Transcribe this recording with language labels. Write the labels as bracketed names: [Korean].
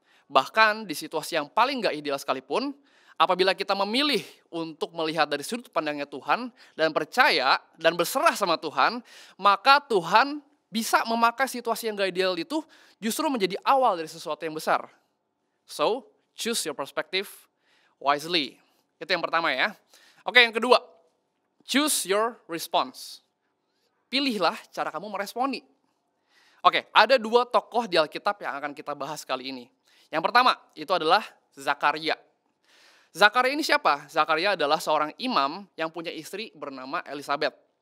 [Indonesian] Bahkan di situasi yang paling gak ideal sekalipun, apabila kita memilih untuk melihat dari sudut pandangnya Tuhan, dan percaya, dan berserah sama Tuhan, maka Tuhan bisa memakai situasi yang gak ideal itu justru menjadi awal dari sesuatu yang besar. [English] So, choose your perspective wisely. [Indonesian] Itu yang pertama ya. Oke, yang kedua. [English] Choose your response. [Indonesian] Pilihlah cara kamu meresponi. Oke, ada dua tokoh di Alkitab yang akan kita bahas kali ini. Yang pertama, itu adalah Zakaria. Zakaria ini siapa? Zakaria adalah seorang imam yang punya istri bernama Elizabeth.